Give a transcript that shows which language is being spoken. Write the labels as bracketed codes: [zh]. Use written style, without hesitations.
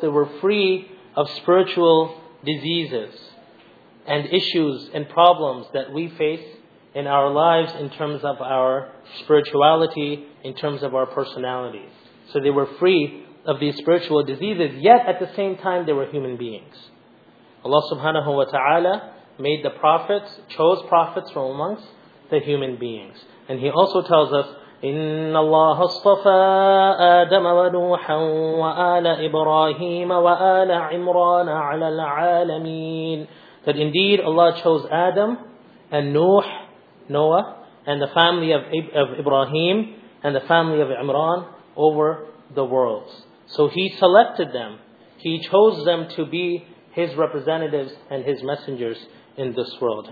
[en] They were free of spiritual diseases and issues and problems that we face in our lives in terms of our spirituality, in terms of our personalities. So they were free of these spiritual diseases, yet at the same time they were human beings. Allah subhanahu wa ta'ala made the prophets, chose prophets from amongst the human beings. And He also tells us, [ar] إِنَّ اللَّهَ اصْطَفَى آدَمَ وَنُوحًا وَآلَ إِبْرَاهِيمَ وَآلَ عِمْرَانَ عَلَى الْعَالَمِينَ. [en] That indeed Allah chose Adam and Noah and the family of Ibrahim and the family of Imran over the worlds. So He selected them. He chose them to be his representatives and his messengers in this world.